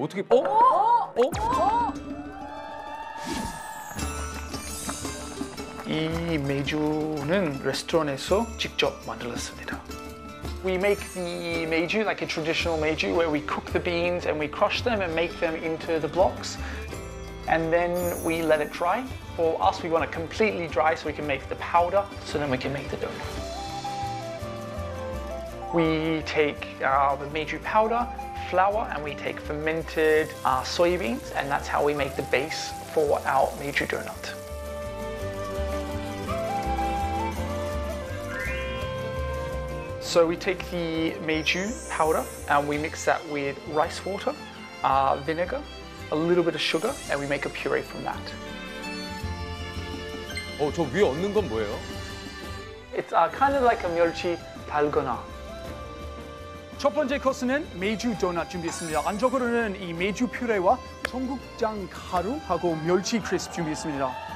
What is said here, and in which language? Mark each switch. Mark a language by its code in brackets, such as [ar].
[ko] 어? 어? 어? 이 메주는 레스토랑에서 직접 만들었습니다. [en] We make the meju like a traditional meju where we cook the beans and we crush them and make them into the blocks and then we let it dry. For us we want it completely dry so we can make the powder so then we can make the dough. We take the meju powder flour and we take fermented soybeans and that's how we make the base for our meju donut. So we take the meju powder and we mix that with rice water, vinegar, a little bit of sugar and we make a puree from that. [ko] 어, 저 위에 얹는 건 뭐예요? [en] It's kind of like a [ko] 멸치 달거나. 첫 번째 코스는 메주 도넛 준비했습니다. 안쪽으로는 이 메주 퓨레와 청국장 가루하고 멸치 크리스프 준비했습니다.